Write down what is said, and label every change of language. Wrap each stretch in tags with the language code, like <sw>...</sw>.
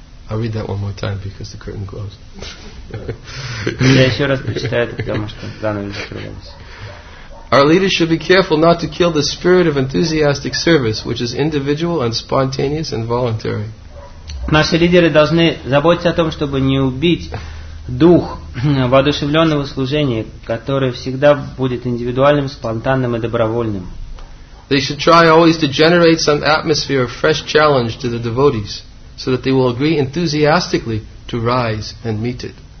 <en>I'll read that one more time because the curtain closed.</en> <ru>Я еще раз прочитаю это, потому что занавес закрывается.</ru> <en>Our leaders should be careful not to kill the spirit of enthusiastic service, which is individual and spontaneous and voluntary.</en> <ru>Наши лидеры должны заботиться о том, чтобы не убить дух воодушевленного служения, которое всегда будет индивидуальным, спонтанным и добровольным.</ru> <en>They should try always to generate some atmosphere of fresh challenge to the devotees, so that they will agree enthusiastically to rise and meet it.</en>